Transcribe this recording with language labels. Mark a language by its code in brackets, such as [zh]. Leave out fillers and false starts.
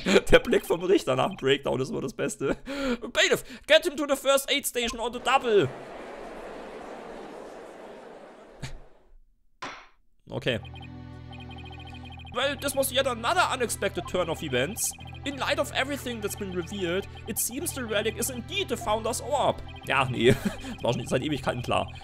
[de] Der Blick vom Richter nach dem Breakdown ist immer das Beste. [en] Bailiff, get him to the first aid station on the double. Okay. Well, this was yet another unexpected turn of events. In light of everything that's been revealed, it seems the relic is indeed the Founder's Orb. [de] Ja, nee, das war schon seit Ewigkeiten klar.